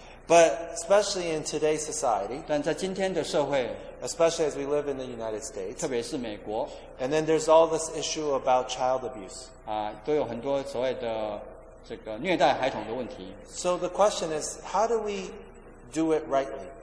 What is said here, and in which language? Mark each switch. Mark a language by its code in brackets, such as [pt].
[en] But especially in today's society, [zh] 但在今天的社会, [en] especially as we live in the United States, [zh] 特别是美国, [en] and then there's all this issue about child abuse. [zh] 都有很多所谓的这个虐待孩童的问题。 [en] So the question is, how do we do it rightly?